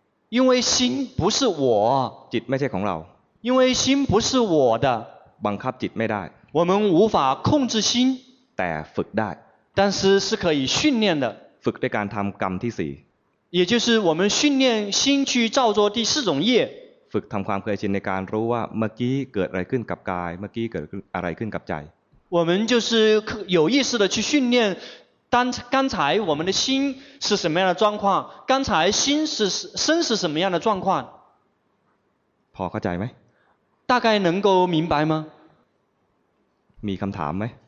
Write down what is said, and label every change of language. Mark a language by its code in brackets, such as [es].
[zh] 因为心不是我 [th] จิตไม่ใช่ของเรา [zh] 因为心不是我的 [th] บังคับจิตไม่ได้ [zh] 我们无法控制心 [th] แต่ฝึกได้ [zh] 但是是可以训练的 [th] ฝึกด้วยการทำกรรมที่สี่ [zh] 也就是我们训练心去造作第四种业 [th] ฝึกทำความเคยชินในการรู้ว่าเมื่อกี้เกิดอะไรขึ้นกับกายเมื่อกี้เกิดอะไรขึ้นกับใจ [zh] 我们就是有意识的去训练刚才我们的心是什么样的状况？刚才心是身是什么样的状况？ [th] พอเข้าใจไหม？ [zh] 大概能够明白吗？ [th] มีคำถามไหม？